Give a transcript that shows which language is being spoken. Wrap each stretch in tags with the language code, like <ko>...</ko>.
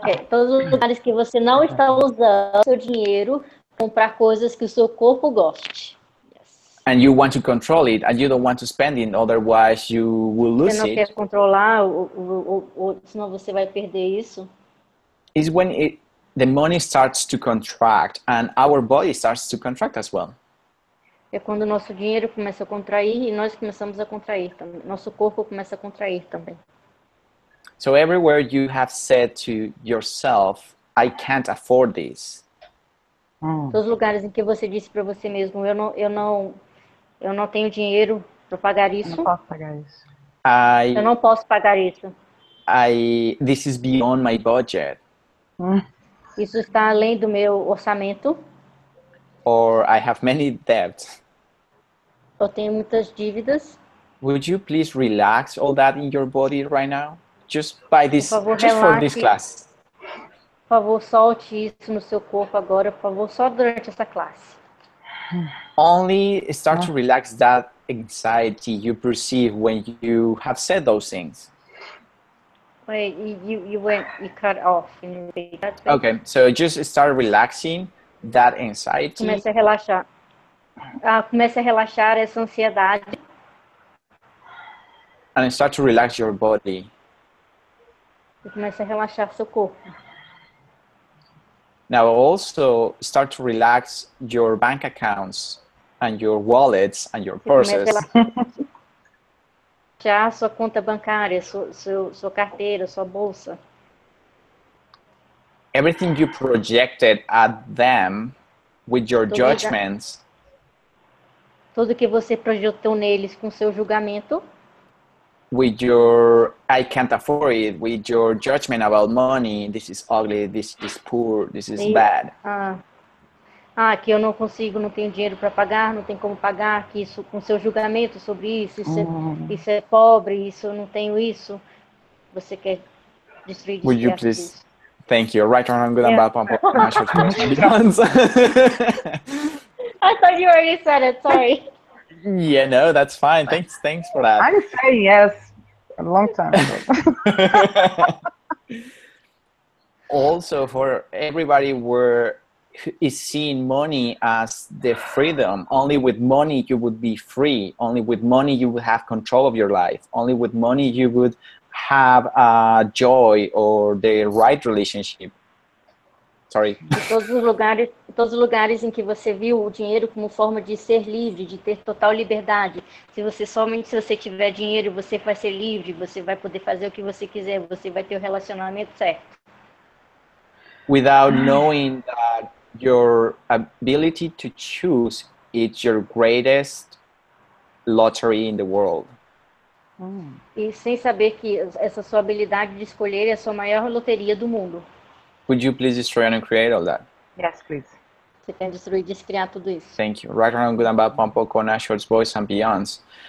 <pt>Todos os lugares que você não está usando seu dinheiro comprar coisas que o seu corpo goste.</pt> <en>And you want to control it and you don't want to spend it, otherwise you will lose it.</en> <pt>Você não quer controlar ou senão você vai perder isso.</pt> <en>Is when the money starts to contract and our body starts to contract as well.</en> <pt>É quando o nosso dinheiro começa a contrair e nós começamos a contrair também. Nosso corpo começa a contrair também.</pt> <en>So everywhere you have said to yourself, I can't afford this.</en> <pt>Todos os lugares em que você disse para você mesmo, eu não tenho dinheiro para pagar isso. Não posso pagar isso. Eu não posso pagar isso.</pt> <en>This is beyond my budget.</en> <pt>Isso está além do meu orçamento.</pt> <en>Or I have many debts.</en> <pt>Eu tenho muitas dívidas.</pt> <en>Would you please relax all that in your body right now? Just by this, just for this class.</en> <pt>Por favor, solte isso no seu corpo agora, por favor, só durante essa classe.</pt> <en>Only start to relax that anxiety you perceive when you have said those things. Wait, you cut off. Okay, so just start relaxing that anxiety.</en> <pt>Comece a relaxar. Comece a relaxar essa ansiedade.</pt> <en>And start to relax your body.</en> <pt>Comece a relaxar seu corpo.</pt> <en>Now also start to relax your bank accounts and your wallets and your purses.</en> <pt>Já sua conta bancária, sua carteira, sua bolsa.</pt> <en>Everything you projected at them with your judgments.</en> <pt>Tudo que você projetou neles com seu julgamento.</pt> <en>With your I can't afford it, with your judgment about money, this is ugly, this is poor, this is bad.</en> <pt>Que eu não consigo, não tenho dinheiro para pagar, não tem como pagar, que isso com seu julgamento sobre isso é pobre, isso eu não tenho isso. Você quer destruir isso?</pt> <en>Would you please isso? Thank you. Right on, good and bad. I thought you already said it, sorry. Yeah, no, that's fine. Thanks for that. I'm saying yes a long time ago. Also, for everybody where is seeing money as the freedom, only with money you would be free, only with money you would have control of your life, only with money you would have joy or the right relationship. Sorry.</en> <pt>Todos os lugares em que você viu o dinheiro como forma de ser livre, de ter total liberdade. Se você tiver dinheiro, você vai ser livre, você vai poder fazer o que você quiser, você vai ter o relacionamento certo.</pt> <en>Without knowing that your ability to choose is your greatest lottery in the world.</en> <pt>E sem saber que essa sua habilidade de escolher é a sua maior loteria do mundo.</pt> <en>Would you please destroy and create all that? Yes, please.</en> <pt>Você quer destruir e descriar tudo isso.</pt> <en>Thank you. Right around good and bad, pampo, con ashorts, boys and beyonds.</en>